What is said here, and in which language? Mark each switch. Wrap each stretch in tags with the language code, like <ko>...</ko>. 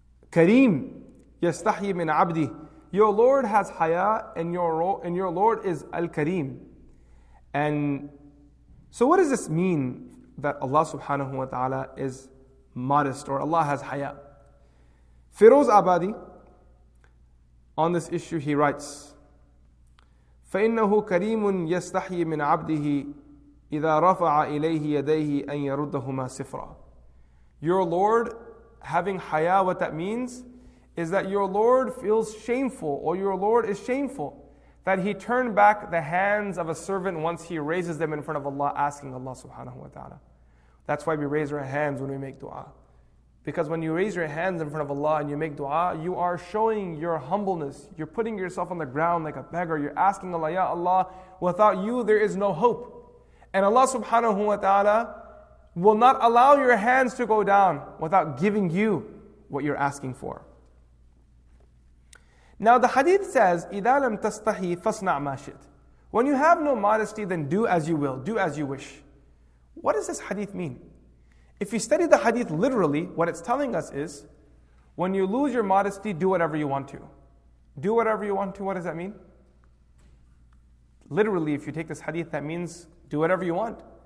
<ar>Kareem yastahi min abdi.</ar> <en>Your Lord has haya, and your Lord is al-Kareem. And so, what does this mean that Allah subhanahu wa taala is modest, or Allah has haya? Firoz Abadi, on this issue, he writes,</en> <ar>فَإِنَّهُ كَرِيمٌ يَسْتَحْيِ مِنْ عَبْدِهِ إِذَا رَفَعَ إِلَيْهِ يَدَيْهِ أَنْ يَرُدَّهُمَا صِفْرًا.</ar> <en>Your Lord having haya, what that means is that your Lord feels shameful, or your Lord is shameful that he turned back the hands of a servant once he raises them in front of Allah, asking Allah subhanahu wa ta'ala. That's why we raise our hands when we make dua. Because when you raise your hands in front of Allah and you make dua, you are showing your humbleness. You're putting yourself on the ground like a beggar. You're asking Allah, Ya Allah, without you there is no hope. And Allah subhanahu wa ta'ala will not allow your hands to go down without giving you what you're asking for. Now the hadith says,</en> <ar>إِذَا لَمْ تَسْتَحِي فَاصْنَعْ مَا شِئْتَ.</ar> <en>When you have no modesty, then do as you will, do as you wish. What does this hadith mean? If you study the hadith literally, what it's telling us is, when you lose your modesty, do whatever you want to. Do whatever you want to, what does that mean? Literally, if you take this hadith, that means do whatever you want.</en>